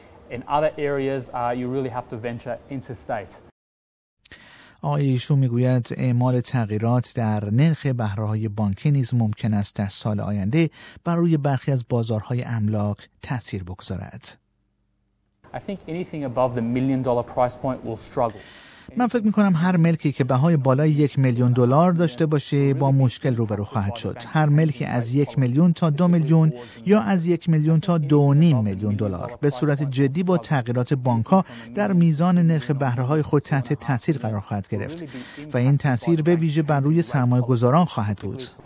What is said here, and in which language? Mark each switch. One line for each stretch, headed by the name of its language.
English: In other areas, you really have to venture interstate.
Persian: آیشو میگوید اعمال تغییرات در نرخ بهره‌های بانکی نیز ممکن است در سال آینده بر روی برخی از بازارهای املاک تأثیر بگذارد.
English: I think anything above the $1 million price point will struggle.
Persian: من فکر می‌کنم هر ملکی که بهای بالای 1 میلیون دلار داشته باشه با مشکل روبرو خواهد شد. هر ملکی از 1 میلیون تا 2 میلیون یا از 1 میلیون تا 2.5 میلیون دلار به صورت جدی با تغییرات بانک‌ها در میزان نرخ بهره‌های خود تحت تأثیر قرار خواهد گرفت و این تأثیر به ویژه بر روی سرمایه‌گذاران خواهد بود.